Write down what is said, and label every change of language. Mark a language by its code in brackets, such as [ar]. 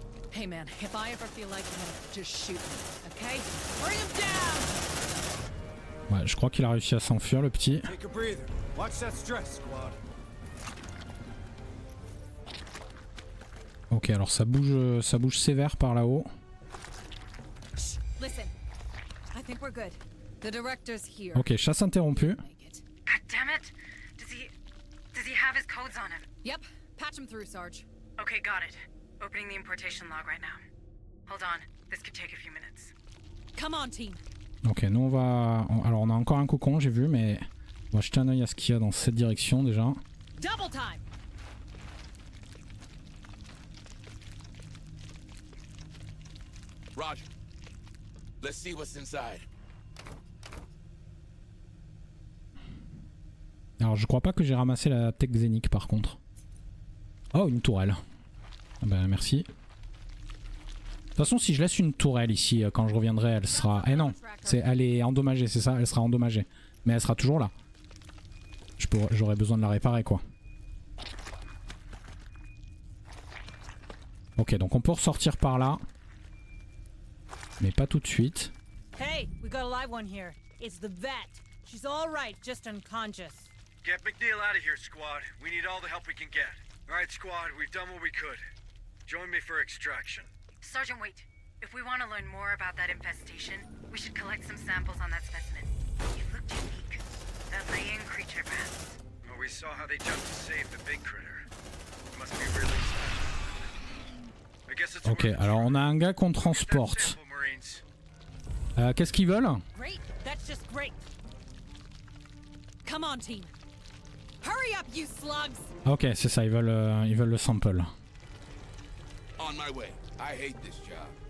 [en] Hey man, if I ever feel like him, just shoot me, okay? Bring him down. [fr] Ouais, je crois qu'il a réussi à s'enfuir le petit. Ok, alors ça bouge sévère par là-haut. [en] Listen, I think we're good. The director's here. [fr] Ok, chasse interrompue. [en] God damn it. Does he have his codes on him? Yep, patch him through, Sarge. Okay, got it. Opening the importation log right now. Hold on, this could take a few minutes. Come on, team. [fr] Ok, nous on va... Alors on a encore un cocon, j'ai vu, mais... On va jeter un oeil à ce qu'il y a dans cette direction, déjà. [en] Double time. Roger. Let's see what's inside. [fr] Alors je crois pas que j'ai ramassé la tech Xenic, par contre. Oh, une tourelle. Ah ben, merci. De toute façon, si je laisse une tourelle ici, quand je reviendrai, elle sera... Eh non. C'est, elle est endommagée, c'est ça? Elle sera endommagée. Mais elle sera toujours là. J'aurais besoin de la réparer, quoi. Ok, donc on peut ressortir par là. Mais pas tout de suite. [en] Hey, we got a live one here. It's the vet. She's all right, just unconscious. Get McNeil out of here, squad. We need all the help we can get. All right, squad, we've done what we could. Join me for extraction. Sergeant, wait. If we want to learn more about that infestation, we should collect some samples on that specimen. It looked unique. That laying creature path. Well, we saw how they jumped to save the big critter. It must be really special. I guess it's [fr] okay, alors on a un gars qu'on transporte. Qu'est-ce qu'ils veulent? [en] Great, that's just great. Come on, team. Hurry up, you slugs. [fr] Ok, c'est ça, ils veulent le sample. [en] On my way. I hate this job.